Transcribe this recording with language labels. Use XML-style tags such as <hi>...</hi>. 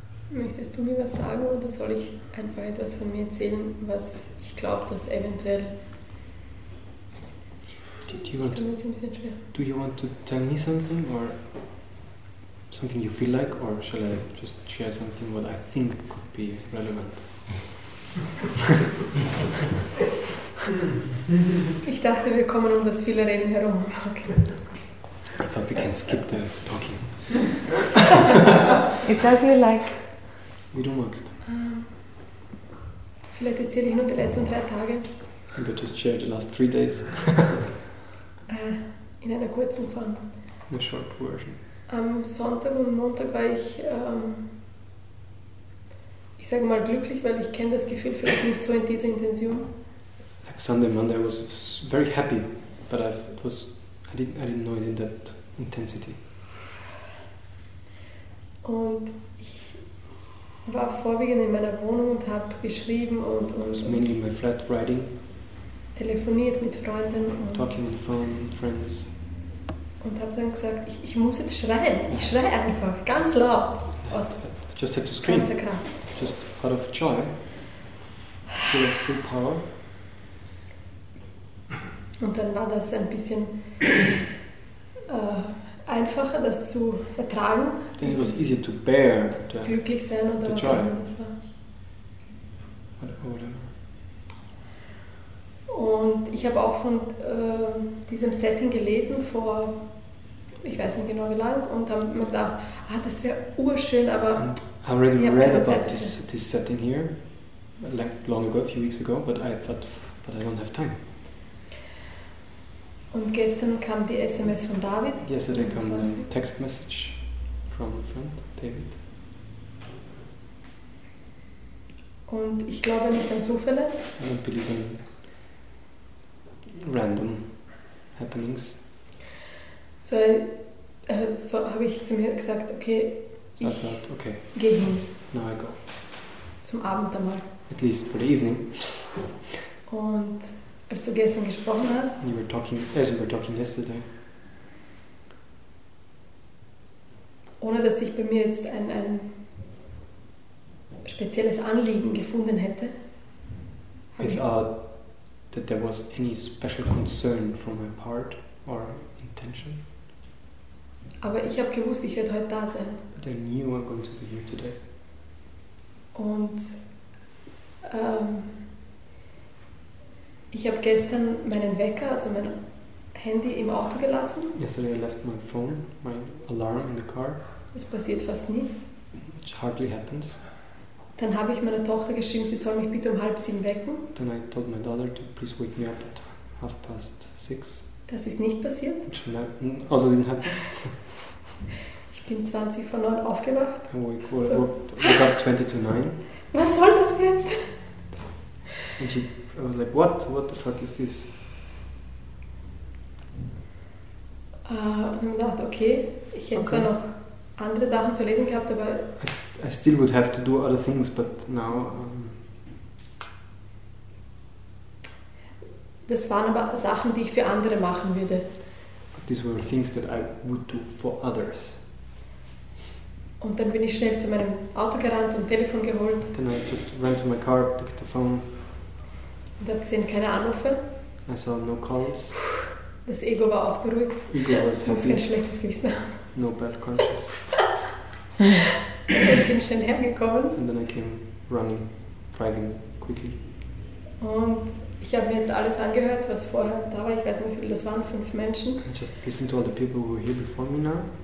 <de>Möchtest du mir was sagen oder soll ich einfach etwas von mir erzählen, was ich glaube, dass eventuell...</de> <en>Do you want to tell me something or something you feel like, or shall I just share something what I think could be relevant?</en> <de>Ich dachte, wir kommen um das viele Reden herum.</de> <en>Okay. I thought we can skip the talking. It does you like...</en> <de>Wie du magst. Vielleicht erzähle ich nur die letzten 3 Tage.</de> <en>Maybe just share the last 3 days.</en> <de>In einer kurzen Form.</de> <en>In a short version.</en> <de>Am Sonntag und Montag war ich, ich sage mal glücklich, weil ich kenne das Gefühl vielleicht nicht so in dieser Intention.</de> <en>Like Sunday and Monday, I was very happy, but I didn't know it in that intensity.</en> <de>Und ich war vorwiegend in meiner Wohnung und habe geschrieben und</de> <en>so mainly in my flat writing,</en> <de>telefoniert mit Freunden und</de> <en>talking on the phone with friends</en> <de>und habe dann gesagt, ich muss jetzt schreien, ich schreie einfach ganz laut aus</de> <en>I just had to scream just out of joy, full of full power.</en> <de>Und dann war das ein bisschen einfacher, das zu ertragen.</de> <en>Then it was easier to bear the joy.</en> <de>Glücklich sein oder was auch immer das war. Und ich habe auch von diesem Setting gelesen vor, ich weiß nicht genau wie lang, und habe mir gedacht, ah, das wäre urschön, aber</de> <en>I already read about this setting here, like long ago, a few weeks ago, but I don't have time.</en> <de>Und gestern kam die SMS von David.</de> <en>Yesterday came a text message from a friend, David.</en> <de>Und ich glaube nicht an Zufälle.</de> <en>I don't believe in random happenings.</en> <de>So habe ich zu mir gesagt, okay,</de> <en>so</en> <de>ich</de> <en>thought, okay,</en> <de>gehe hin.</de> <en>Now I go.</en> <de>Zum Abend einmal.</de> <en>At least for the evening.</en> <de>Und als du gestern gesprochen hast.</de> <en>We were talking yesterday.</en> <de>Ohne dass ich bei mir jetzt ein spezielles Anliegen gefunden hätte.</de> <en>Without that there was any special concern from my part or intention.</en> <de>Aber ich habe gewusst, ich werde heute da sein.</de> <en>But I knew I'm going to be here today.</en> <de>Und ich habe gestern meinen Wecker, also mein Handy, im Auto gelassen.</de> <en>Yesterday I left my phone, my alarm in the car.</en> <de>Das passiert fast nie.</de> <en>It hardly happens.</en> <de>Dann habe ich meiner Tochter geschrieben, sie soll mich bitte um 7:30 wecken.</de> <en>Then I told my daughter to please wake me up at 6:30.</en> <de>Das ist nicht passiert.</de> <en>Also didn't happen.</en> <de>Ich bin 9:20 aufgewacht.</de> <en>I woke up 9:20.</en> <de>Was soll das jetzt?</de> <en>I was like, what the fuck is this?</en> <de>Und ich dachte, okay, ich hätte zwar noch andere Sachen zu erledigen gehabt, aber...</de> <en>I still would have to do other things, but now...</en> <de>Das waren aber Sachen, die ich für andere machen würde.</de> <en>But these were things that I would do for others.</en> <de>Und dann bin ich schnell zu meinem Auto gerannt und Telefon geholt.</de> <en>Then I just ran to my car, picked the phone.</en> <de>Und habe gesehen, keine Anrufe.</de> <en>I saw no calls.</en> <de>Das Ego war auch beruhigt.</de> <en>Ego was happy.</en> <de>Ich habe kein schlechtes Gewissen.</de> <en>No bad conscience.</en> <de>Und dann bin ich schnell hergekommen.</de> <en>And then I came running, driving quickly.</en> <de>Und ich habe mir jetzt alles angehört, was vorher da war. Ich weiß nicht, wie viele das waren, 5 Menschen.</de> <en>I just listened to all the people who were here before me now.</en>